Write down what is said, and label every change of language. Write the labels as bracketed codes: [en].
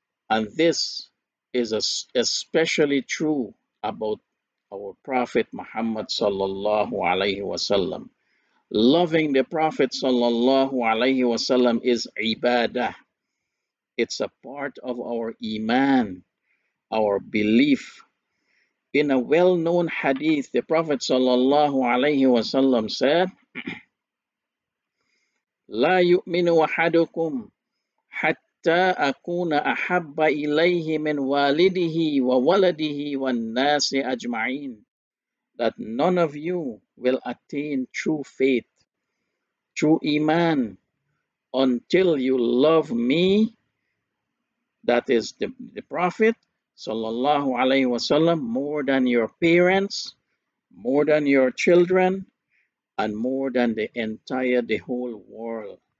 [en] And this is especially true about our Prophet Muhammad sallallahu alaihi wasallam. Loving the Prophet sallallahu alaihi wasallam is ibadah. It's a part of our iman, our belief. In a well-known hadith, the Prophet sallallahu alaihi wasallam said, [ar] لا يؤمن أحدكم حتى أكون أحب إليه من والده وولده والناس أجمعين. [en] That none of you will attain true faith, true iman, until you love me, that is the Prophet sallallahu alaihi wasallam, more than your parents, more than your children, and more than the whole world.